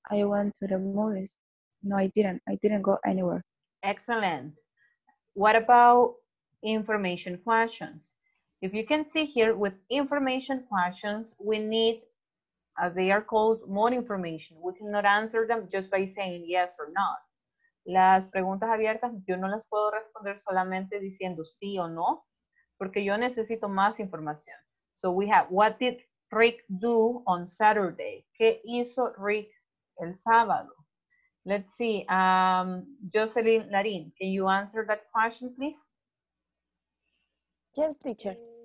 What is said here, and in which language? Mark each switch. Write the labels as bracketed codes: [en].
[en] I went to the movies. No, I didn't. I didn't go anywhere. Excellent. What about information questions? If you can see here with information questions, we need, they are called more information. We cannot answer them just by saying yes or not. [es] Las preguntas abiertas, yo no las puedo responder solamente diciendo sí o no, porque yo necesito más información. [en] So we have, what did Rick do on Saturday? [es] ¿Qué hizo Rick el sábado? [en] Let's see, Jocelyn Larin, can you answer that question, please? Yes, teacher.